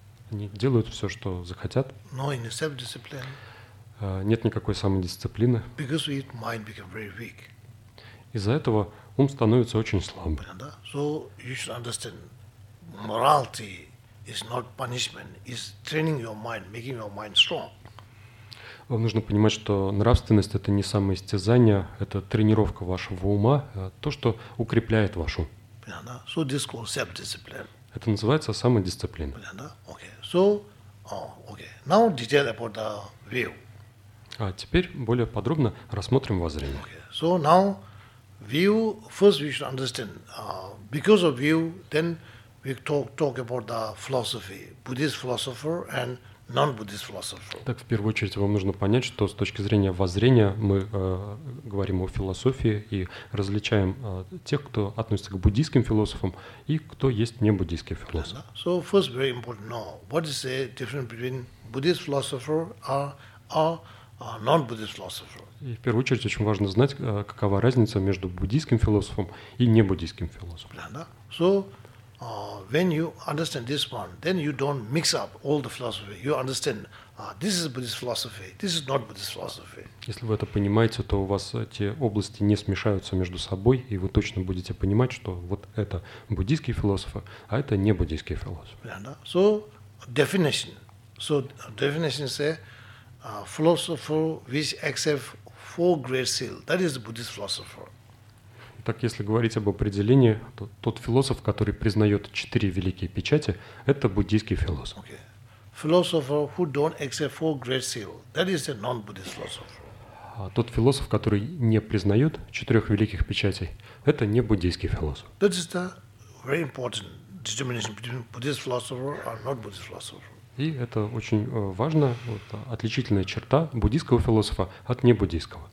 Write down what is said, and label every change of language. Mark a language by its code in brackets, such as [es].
[ru] Они делают все, что захотят. [en] No, in self-discipline. [ru] Нет никакой самодисциплины. [en] Because it mind become very weak. [ru] Из-за этого ум становится очень слабым. Понятно? [en] So you should understand morality. It's not punishment. It's training your mind, making your mind strong. [ru] Вам нужно понимать, что нравственность — это не самоистязание, это тренировка вашего ума, то, что укрепляет вашу. Понятно? [en] So this called self-discipline. [ru] Это называется самодисциплина. Понятно? [en] Okay. So, okay. Now detail about the view. [ru] А теперь более подробно рассмотрим воззрение. [en] Okay. So now view. First we should understand. Because of view, then we talk about the philosophy, Buddhist philosopher and non-Buddhist philosopher. [ru] Так, в первую очередь вам нужно понять, что с точки зрения воззрения мы говорим о философии и различаем тех, кто относится к буддийским философам и кто есть не буддийский философ. [en] Yeah, no? So first very important know what is the difference between Buddhist philosopher or non-Buddhist philosopher. [ru] И в первую очередь очень важно знать, какова разница между буддийским философом и не буддийским философом. [en] Yeah, no? So when you understand this one, then you don't mix up all the philosophy. You understand this is Buddhist philosophy, this is not Buddhist philosophy. [ru] Если вы это понимаете, то у вас эти области не смешаются между собой, и вы точно будете понимать, что вот это буддийские философы, а это не буддийские философы. [en] Yeah, no? So definition. So definition say philosopher which accept four great seal. That is the Buddhist philosopher. [ru] Так, если говорить об определении, то тот философ, который признает четыре великие печати, это буддийский философ. [en] Okay. Philosopher who don't accept four great seal. That is a non-Buddhist philosopher. [ru] А тот философ, который не признает четырех великих печатей, это не буддийский философ. [en] That is the very important determination between Buddhist philosopher or not Buddhist philosopher. [ru] И это очень важно, вот, отличительная черта буддийского философа от небуддийского.